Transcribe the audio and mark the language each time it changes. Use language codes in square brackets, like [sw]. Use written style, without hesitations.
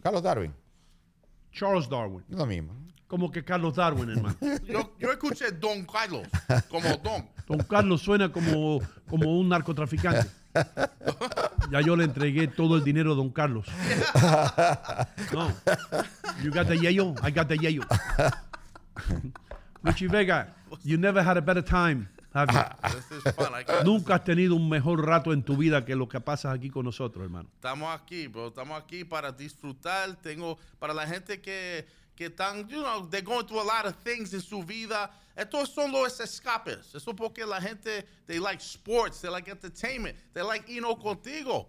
[es] Carlos Darwin. Charles Darwin. Lo mismo. Como que Carlos Darwin, hermano. Yo escuché Don Carlos, como Don. Don Carlos suena como un narcotraficante. Ya yo le entregué todo el dinero a Don Carlos. No. [en] You got the yayo, I got the yayo. Luchi Vega, you never had a better time, have you? [es] Nunca has tenido un mejor rato en tu vida que lo que pasas aquí con nosotros, hermano. Estamos aquí, bro. Estamos aquí para disfrutar. Tengo para la gente que están, [en] you know, they're going through a lot of things in [es] su vida. Estos son los escapes. Eso porque la gente, [en] they like sports, they like [es] entertainment, they like irnos contigo.